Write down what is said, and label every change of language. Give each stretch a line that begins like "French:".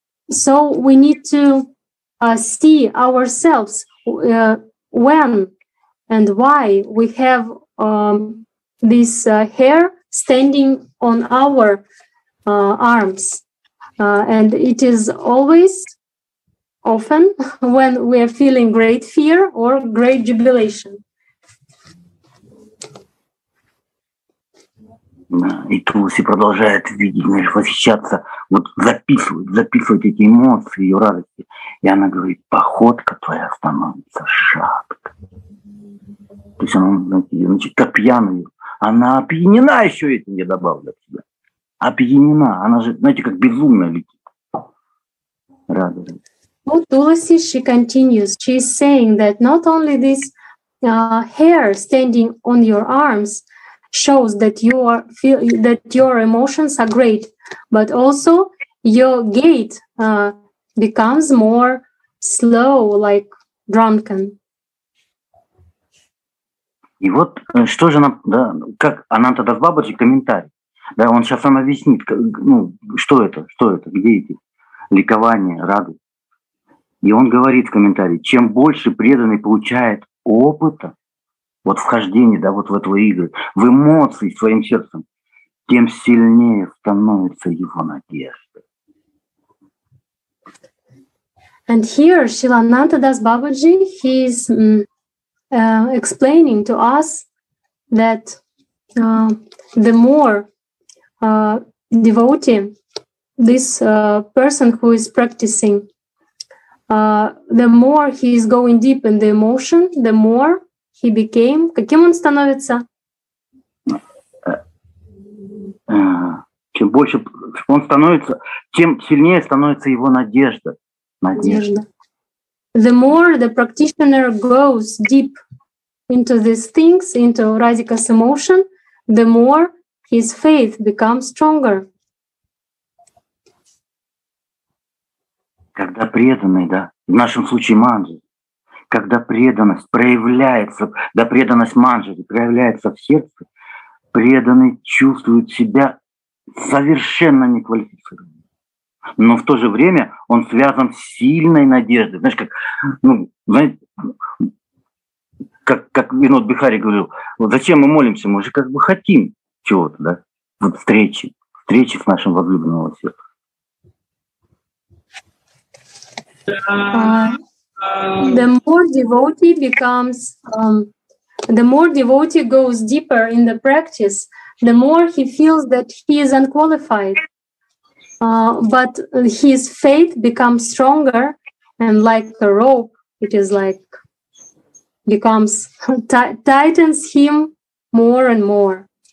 English: So we need to see ourselves when and why we have this hair standing on our arms, and it is always often when we are feeling great fear or great jubilation.
Russian: И Туласи продолжает видеть, знаешь, восхищаться, вот записывать эти эмоции, ее радости. И она говорит, походка твоя становится шаткой. То есть она, значит, как пьяная. Она опьянена еще этим, я добавлю от себя. Опьянена. Она же, знаете, как безумно летит. Радость.
English: Oh, Туласи, she continues. She is saying that not only this hair standing on your arms shows that you are feel that your emotions are great, but also your gait becomes more slow, like drunken.
Russian: И вот что же она, да, как она тогда с Бабаджи комментарий, да, он сейчас нам объяснит, ну, что это, где эти ликования, радость. И он говорит в комментарии, чем больше преданный получает опыта, вот вхождение, да, вот в эту игру, в эмоции своим сердцем, тем сильнее становится его надежда.
English: And here Srila Nandadas Babaji, he's explaining to us that the more devotee, this person who is practicing, the more he is going deep in the emotion, the more he became,
Russian: каким он становится? Чем больше он становится, тем сильнее становится его надежда. Надежда.
English: The more the practitioner goes deep into these things, into Radhika's emotion, the more his faith becomes stronger.
Russian: когда преданный, да, в нашем случае манджи, когда преданность проявляется, да, преданность манджи проявляется в сердце, преданный чувствует себя совершенно неквалифицированным. Но в то же время он связан с сильной надеждой. Знаешь, как, ну, знаете, как Винод Бихари говорил, вот зачем мы молимся? Мы же как бы хотим чего-то, да? Вот встречи, встречи с нашим возлюбленным сердцем.
English: The more devotee becomes, the more devotee goes deeper in the practice, the more he feels that he is unqualified. But his faith becomes stronger, and like a rope, it is like becomes tightens him more and more.